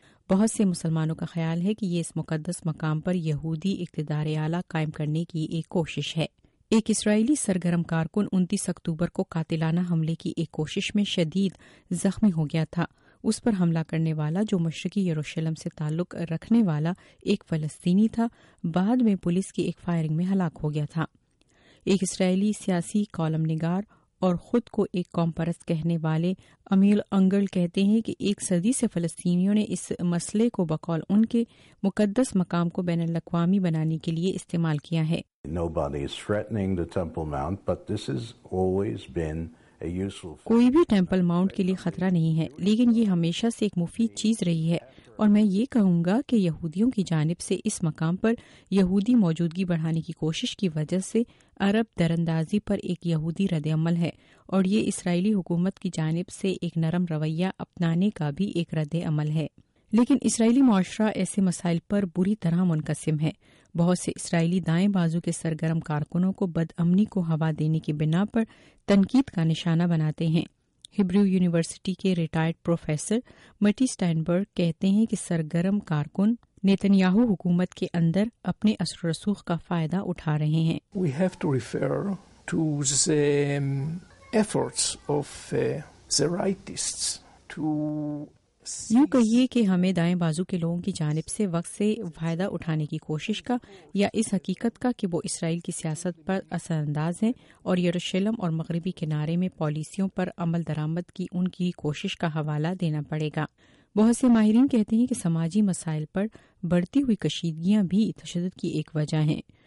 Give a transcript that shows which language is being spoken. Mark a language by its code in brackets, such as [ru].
[ur] بہت سے مسلمانوں کا خیال ہے کہ یہ اس مقدس مقام پر یہودی اقتدار اعلیٰ قائم کرنے کی ایک کوشش ہے۔ ایک اسرائیلی سرگرم کارکن 29 اکتوبر کو قاتلانہ حملے کی ایک کوشش میں شدید زخمی ہو گیا تھا۔ اس پر حملہ کرنے والا، جو مشرقی یروشلم سے تعلق رکھنے والا ایک فلسطینی تھا، بعد میں پولیس کی ایک فائرنگ میں ہلاک ہو گیا تھا۔ ایک اسرائیلی سیاسی کالم نگار اور خود کو ایک قوم پرست کہنے والے امیل انگل کہتے ہیں کہ ایک صدی سے فلسطینیوں نے اس مسئلے کو بقول ان کے مقدس مقام کو بین الاقوامی بنانے کے لیے استعمال کیا ہے۔ [en] Nobody is threatening the Temple Mount, but this has always been a useful... [ur] کوئی بھی ٹیمپل ماؤنٹ کے لیے خطرہ نہیں ہے، لیکن یہ ہمیشہ سے ایک مفید چیز رہی ہے، اور میں یہ کہوں گا کہ یہودیوں کی جانب سے اس مقام پر یہودی موجودگی بڑھانے کی کوشش کی وجہ سے عرب دراندازی پر ایک یہودی رد عمل ہے، اور یہ اسرائیلی حکومت کی جانب سے ایک نرم رویہ اپنانے کا بھی ایک رد عمل ہے۔ لیکن اسرائیلی معاشرہ ایسے مسائل پر بری طرح منقسم ہے۔ بہت سے اسرائیلی دائیں بازو کے سرگرم کارکنوں کو بد امنی کو ہوا دینے کی بنا پر تنقید کا نشانہ بناتے ہیں۔ ہبریو یونیورسٹی کے ریٹائرڈ پروفیسر مٹی سٹینبرگ کہتے ہیں کہ سرگرم کارکن نیتن یاہو حکومت کے اندر اپنے اثر و رسوخ کا فائدہ اٹھا رہے ہیں۔ [en] We have to refer to the efforts of the rightists to... [ur] یوں کہیے کہ ہمیں دائیں بازو کے لوگوں کی جانب سے وقت سے فائدہ اٹھانے کی کوشش کا، یا اس حقیقت کا کہ وہ اسرائیل کی سیاست پر اثر انداز ہیں اور یروشلم اور مغربی کنارے میں پالیسیوں پر عمل درآمد کی ان کی کوشش کا حوالہ دینا پڑے گا۔ بہت سے ماہرین کہتے ہیں کہ سماجی مسائل پر بڑھتی ہوئی کشیدگیاں بھی تشدد کی ایک وجہ ہیں۔